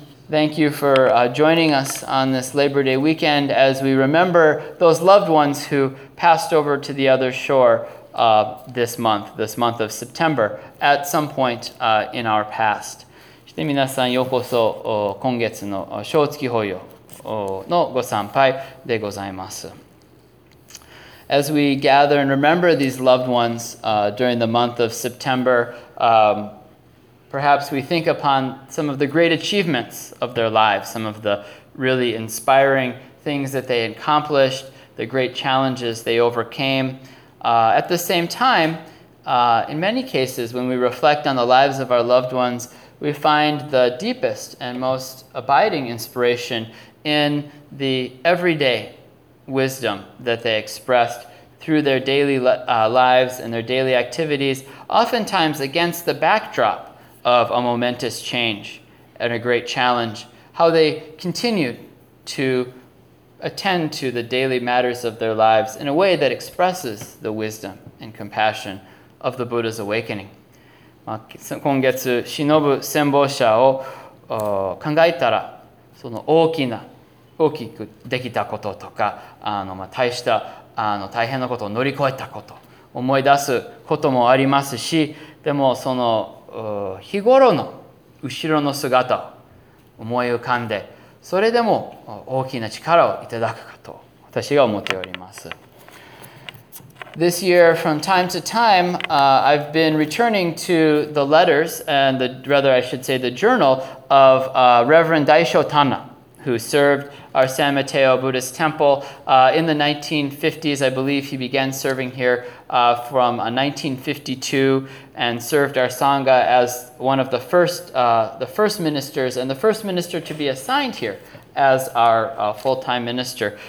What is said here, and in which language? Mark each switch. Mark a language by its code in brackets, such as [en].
[en] Thank you for joining us on this Labor Day weekend as we remember those loved ones who passed over to the other shore this month of September, at some point in our past. [ja] そして皆さんようこそ今月の正月法要のご参拝でございます。 [en] As we gather and remember these loved ones during the month of September, perhaps we think upon some of the great achievements of their lives, some of the really inspiring things that they accomplished, the great challenges they overcame. At the same time, in many cases, when we reflect on the lives of our loved ones, we find the deepest and most abiding inspiration in the everyday wisdom that they expressed through their daily lives and their daily activities, oftentimes against the backdrop of a momentous change and a great challenge, how they continued to attend to the daily matters of their lives in a way that expresses the wisdom and compassion of the Buddha's awakening. [ja] 今月忍ぶ戦没者を考えたら、その大きくできたこととか、大した大変なことを乗り越えたこと、思い出すこともありますし、でもその日頃の後ろの姿を思い浮かんで、それでも大きな力をいただくかと私が思っております。 [en] This year, from time to time, I've been returning to the letters, and the, rather I should say the journal, of Reverend Daisho Tanna, who served our San Mateo Buddhist Temple in the 1950s. I believe he began serving here from 1952 and served our Sangha as one of the first ministers and the first minister to be assigned here as our full-time minister.